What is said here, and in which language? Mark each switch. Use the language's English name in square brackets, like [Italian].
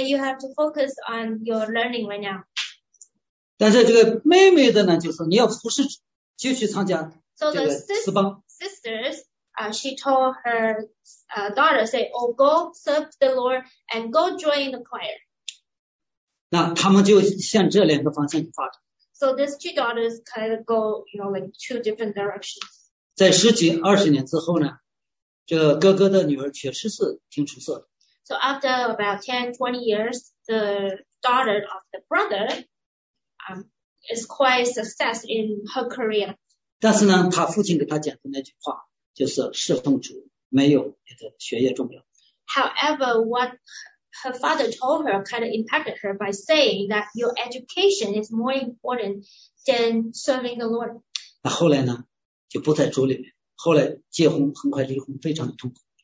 [English] You have to focus on your learning right now. [Chinese] 但是这个妹妹的呢，就说你要服侍，继续参加这个私帮。 [English] So the sisters, she told her daughter, say, oh, go serve the Lord and go join the choir. [Chinese] 那他们就向这两个方向去发展。 [English] So these two daughters kind of go, you know, like two different directions. [Chinese] 在十几二十年之后呢，这个哥哥的女儿确实是挺出色的。 [English] So after about 10-20 years, the daughter of the brother, is quite success in her career. [Chinese] 但是呢，他父亲给他讲的那句话就是侍奉主没有你的学业重要。 [English] However, what? Her father told her, kind of impacted her by saying that your education is more important than serving the Lord. [Chinese] 那后来呢，就不在主里面。后来结婚很快离婚，非常的痛苦。